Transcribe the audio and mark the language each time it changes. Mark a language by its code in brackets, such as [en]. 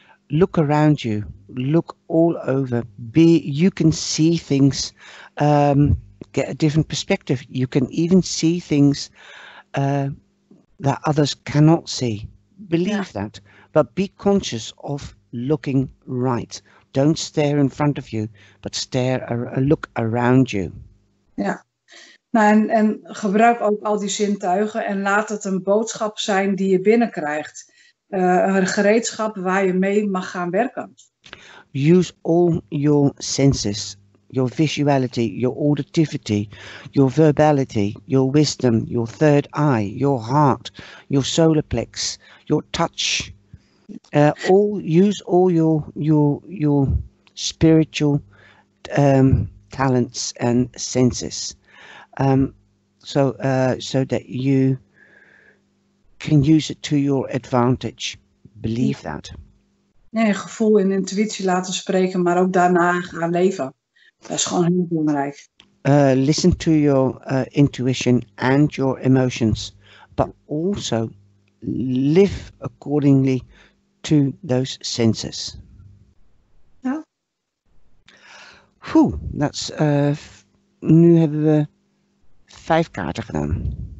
[en] Look around you, look all over, you can see things, get a different perspective. You can even see things that others cannot see. Believe that, but be conscious of looking right. Don't stare in front of you, but stare, look around you. Yeah. [nl] Nou, en gebruik ook al die zintuigen en laat het een boodschap zijn die je binnenkrijgt. Een gereedschap waar je mee mag gaan werken. [en] Use all your senses, your visuality, your auditivity, your verbality, your wisdom, your third eye, your heart, your solar plex, your touch. Use all your spiritual talents and senses. So that you can use it to your advantage. Believe that. [nl] Nee, gevoel en intuïtie laten spreken, maar ook daarna gaan leven. Dat is gewoon heel belangrijk. [en] Listen to your intuition and your emotions, but also live accordingly to those senses. [nl] Ja. [en] Whew, that's [nl] nu hebben we 5 kaarten gedaan.